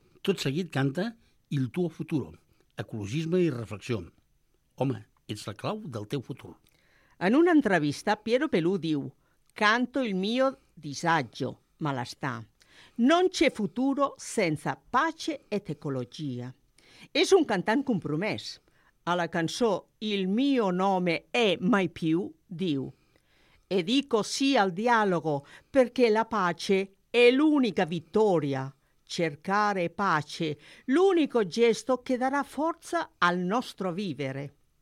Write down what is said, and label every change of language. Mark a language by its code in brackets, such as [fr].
[ca] Tot seguit canta Il tuo futuro, ecologisme i reflexió. Home, ets la clau del teu futur. En una entrevista, Piero Pelù diu: [it] canto il mio disagio, [ca] malestar. [it] Non c'è futuro senza pace et ecologia. [ca] És un cantant compromès. A la cançó [it] Il mio nome è mai più [ca] diu: [it] e dico sì al dialogo perché la pace è l'unica vittoria. Cercare pace, l'unico gesto che darà forza al nostro vivere.